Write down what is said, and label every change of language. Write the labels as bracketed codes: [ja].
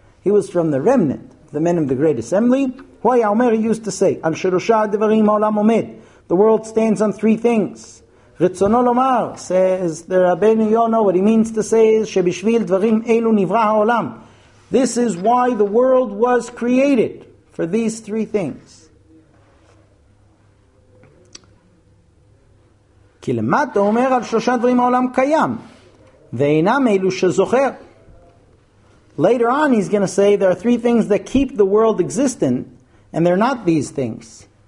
[en] He was from the remnant, the men of the great assembly. [he] Who Haya Omer, [en] he used to say, [he] Al Shirusha Devarim Olam Omed, [en] the world stands on three things. [he] Ritzono Lomar, [en] says the Rabbeinu Yonah, what he means to say is, [he] Shebishvil Devarim Elu Nivra HaOlam. [en] This is why the world was created, for these three things. [he] כי למטה אומר על שלושה דברים העולם קיים, ואינם אלו שזוכר. [en] Later on he's going to say there are three things that keep the world existent, and they're not these things.